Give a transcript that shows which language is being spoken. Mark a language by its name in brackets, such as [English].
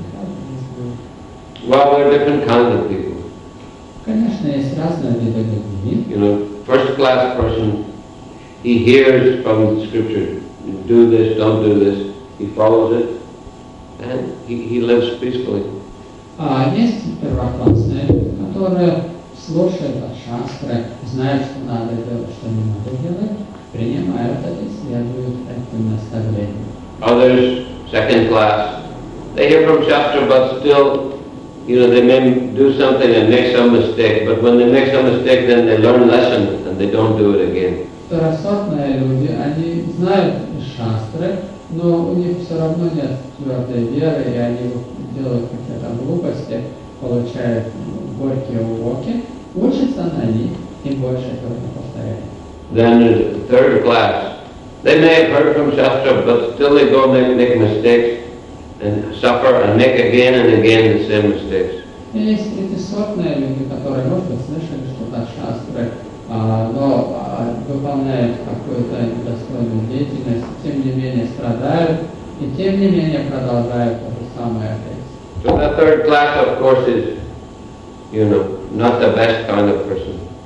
[English] So what is that? Does Krishna want to teach him some lesson? Well, we're different kinds of people. You know, first class person, he hears from the scripture, do this, don't do this, he follows it, and he lives peacefully. [Russian] Есть первоклассные, которые слушают от шастры, знают, что надо делать, что не надо делать, принимают это и следуют этим наставлениям. [English] Others, second class, they hear from shastra, but still, you know, they may do something and make some mistake, but when they make some mistake, then they learn lesson and they don't do it again. [Russian] Второсортные люди, они знают шастры, но у них все равно нет твердой веры, и они делают какие-то глупости, получают горькие уроки, учатся на них и больше этого не повторяют. [English] Then there's a third class. They may have heard from Shastra, but still they go and make mistakes and suffer and make again and again the same mistakes. [Russian] Есть третисортные люди, которые, может быть, слышали что-то от Шастры, но выполняют какую-то недостойную деятельность, тем не менее страдают и тем не менее продолжают то же самое. [English] So the third class, of course, is, you know, not the best kind of person.